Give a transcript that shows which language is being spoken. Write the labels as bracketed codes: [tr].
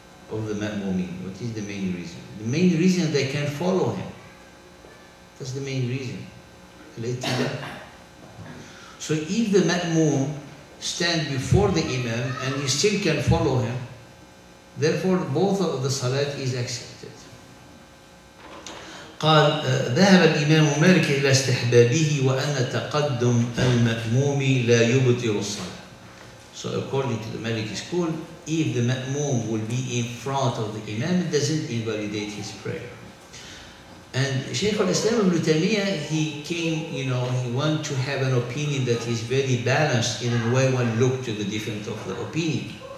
[en] Of the ma'mumin, what is the main reason? The main reason they can follow him. That's the main reason. So if the ma'mum stand before the imam and he still can follow him, therefore both of the salat is accepted. [ar] قال ذهب الإمام مالك إلى استحبابه وأن تقدم المأموم لا يبطل الصلاة. [en] So according to the Maliki school, if the ma'mum will be in front of the imam, it doesn't invalidate his prayer. And Shaykh al-Islam ibn Taymiyyah, he came, you know, he wants to have an opinion that is very balanced in a way one look to the difference of the opinion.